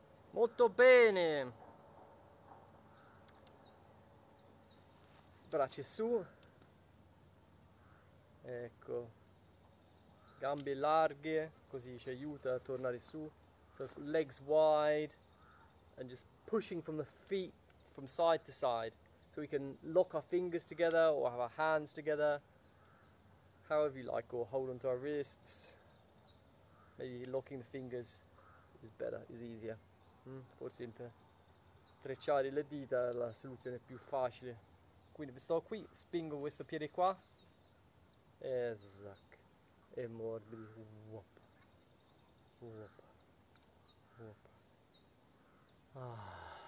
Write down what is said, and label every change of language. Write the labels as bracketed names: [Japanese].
[Italian] Molto bene! Braccia su. Ecco. Gambe larghe, così ci aiuta a tornare su. [English] So, legs wide. And just pushing from the feet, from side to side. So we can lock our fingers together or have our hands together. However you like, or hold onto our wrists. Maybe locking the fingers is better, is easier. [Italian] Forse intrecciare le dita è la soluzione più facile. Quindi sto qui, spingo questo piede qua. E zac. E mordi. Uop. Uop. Uop. Ah.